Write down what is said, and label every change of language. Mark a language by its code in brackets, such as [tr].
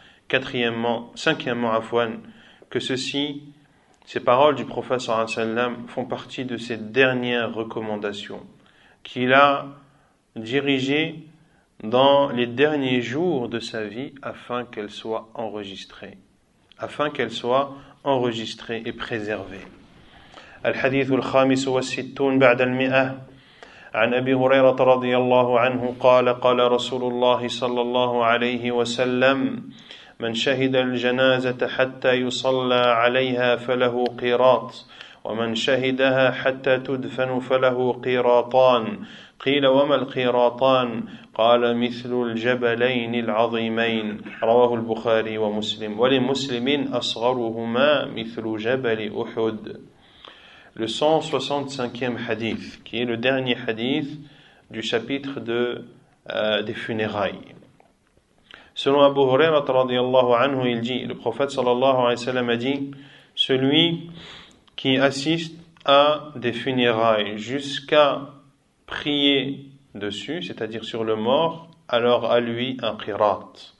[fr] Cinquièmement, afwan, que ceci, ces paroles du prophète sallallahu alayhi wa sallam, font partie de ses dernières recommandations qu'il a dirigées dans les derniers jours de sa vie afin qu'elles soient enregistrées. Afin qu'elles soient enregistrées et préservées. [ar] الحديث الخامس والستون بعد المئة عن أبي هريرة رضي الله عنه قال قال رسول الله صلى الله عليه وسلم من شهد الجنازة حتى يصلى عليها فله قيراط ومن شهدها حتى تدفن فله قيراطان قيل وما القيراطان قال مثل الجبلين العظيمين رواه البخاري ومسلم ولمسلم أصغرهما مثل جبل أحد. [fr] Le 165e hadith, qui est le dernier hadith du chapitre des funérailles. Selon Abu Huraira radiallahu anhu, il dit, le prophète sallallahu alayhi wa sallam a dit, celui qui assiste à des funérailles jusqu'à prier dessus, c'est-à-dire sur le mort, alors à lui un qirat.